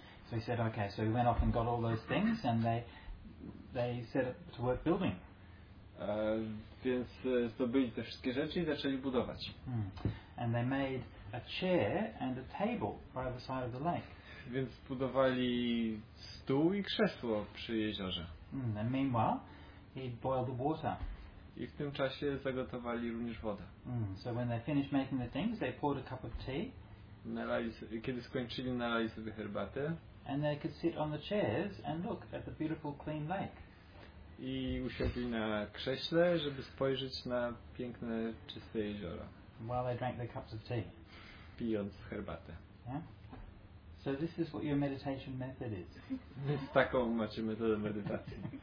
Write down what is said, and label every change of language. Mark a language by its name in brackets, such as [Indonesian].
[English] So he said, okay, so he went off and got all those things and they set up to work building. [Polish] Więc zdobyli te wszystkie rzeczy i zaczęli budować. [English] And they made a chair and a table by the side of the lake. [Polish] Więc budowali stół i krzesło przy jeziorze. [English] And meanwhile, he boiled the water. [Polish] I w tym czasie zagotowali również wodę. [English] So when they finished making the things, they poured a cup of tea. [Polish] Kiedy skończyli, nalali sobie herbatę. [English] And they could sit on the chairs and look at the beautiful, clean lake. [Polish] I usiadli na krześle, żeby spojrzeć na piękne, czyste jezioro. [English] While they drank their cups of tea. [Polish] Pijąc herbatę. [English] Yeah? So this is what your meditation method is. [Polish] Więc taką macie metodę medytacji.